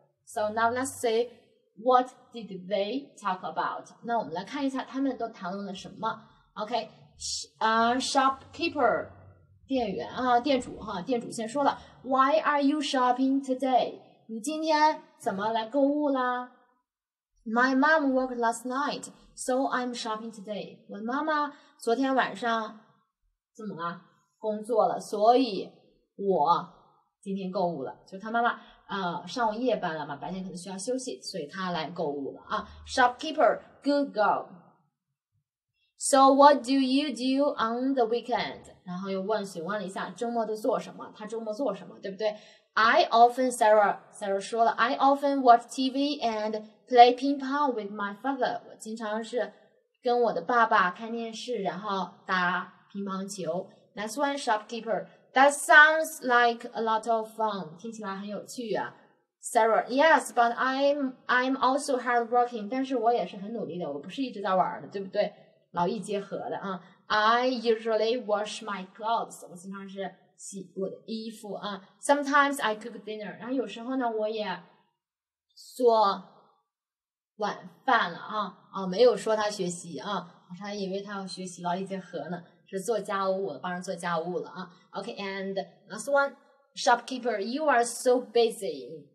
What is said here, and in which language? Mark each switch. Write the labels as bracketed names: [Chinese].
[English] So now let's see what did they talk about. [Chinese] 那我们来看一下他们都谈论了什么。 OK， shopkeeper， 店员啊，店主哈、啊，店主先说了 ， [English] Why are you shopping today？ [Chinese] 你今天怎么来购物啦 [English] ？My mom worked last night, so I'm shopping today. [Chinese] 我妈妈昨天晚上怎么了？工作了，所以我今天购物了。就她妈妈上午夜班了嘛，白天可能需要休息，所以她来购物了啊。 [English] Shopkeeper, good girl. So what do you do on the weekend? [Chinese] 然后又询问了一下周末都做什么？她周末做什么？对不对？ [English] Sarah [Chinese] 说了 [English] ，I often watch TV and play ping pong with my father. [Chinese] 我经常是跟我的爸爸看电视，然后打乒乓球。 [English] Next one, shopkeeper. That sounds like a lot of fun. [Chinese] 听起来很有趣啊。Sarah, [English] yes, but I'm also hardworking. [Chinese] 但是我也是很努力的，我不是一直在玩的，对不对？劳逸结合的啊。 [English] I usually wash my clothes. [Chinese] 我经常是洗我的衣服啊。 [English] Sometimes I cook dinner. [Chinese] 然后有时候呢，我也做晚饭了啊。哦，没有说他学习啊，我还以为他要学习劳逸结合呢，是做家务，我帮人做家务了啊。 [English] Okay, and last one, shopkeeper, you are so busy.